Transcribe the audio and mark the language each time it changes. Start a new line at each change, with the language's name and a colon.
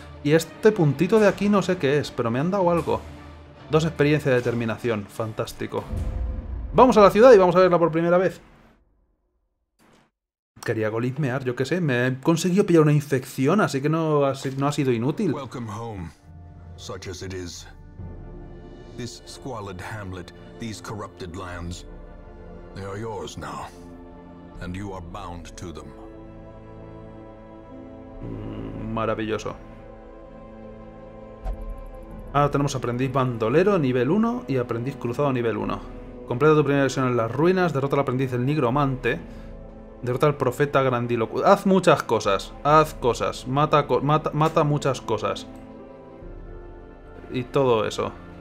Spanish: Y este puntito de aquí no sé qué es, pero me han dado algo. Dos experiencias de determinación. Fantástico. Vamos a la ciudad y vamos a verla por primera vez. Quería golismear, yo qué sé, me he conseguido pillar una infección, así que no ha sido inútil.
English: Welcome home, such as it is. This squalid hamlet, these corrupted lands, they are yours now, and you are bound to them.
Spanish: Maravilloso. Ahora tenemos aprendiz bandolero nivel 1 y aprendiz cruzado nivel 1. Completa tu primera misión en las ruinas, derrota al aprendiz del nigromante. Derrota al profeta grandilocuo. Haz muchas cosas. Haz cosas. Mata muchas cosas. Y todo eso.